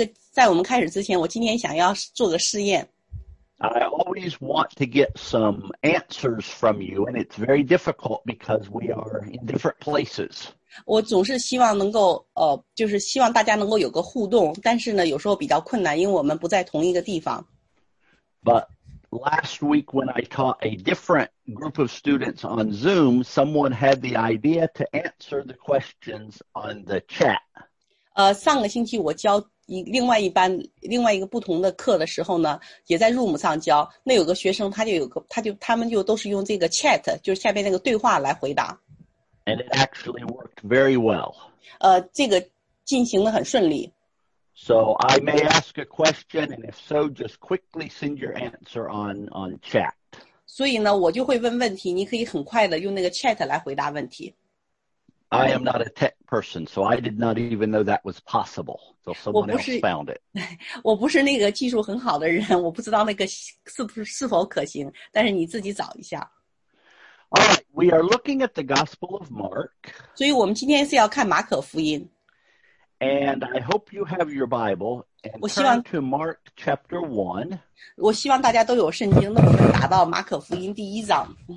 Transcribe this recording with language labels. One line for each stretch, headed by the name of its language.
Chinese: 在我们开始之前，我今天想要做个试验。
English: I always want to get some answers from you, and it's very difficult because we are in different places.
Chinese: 我总是希望能够就是希望大家能够有个互动，但是呢，有时候比较困难，因为我们不在同一个地方。
English: But last week when I taught a different group of students on Zoom, someone had the idea to answer the questions on the chat.
Chinese: 上个星期我教另外一个不同的课的时候呢，也在 Zoom 上教，那有个学生他们就都是用这个 chat, 就是下面那个对话来回答。
English: And it actually worked very well.
Chinese: 这个进行得很顺利。
English: So I may ask a question, and if so, just quickly send your answer on chat.
Chinese: 所以呢，我就会问问题，你可以很快的用那个 chat 来回答问题。
English: I am not a tech person, so I did not even know that was possible. So someone else found it.
Chinese: 我不是那个技术很好的人，我不知道那个是否可行，但是你自己找一下。
English: All right, we are looking at the Gospel of Mark.
Chinese: 所以我们今天是要看马可福音。
English: And I hope you have your Bible and turn to Mark chapter 1.
Chinese: 我希望大家都有圣经，那我们打到马可福音第一章。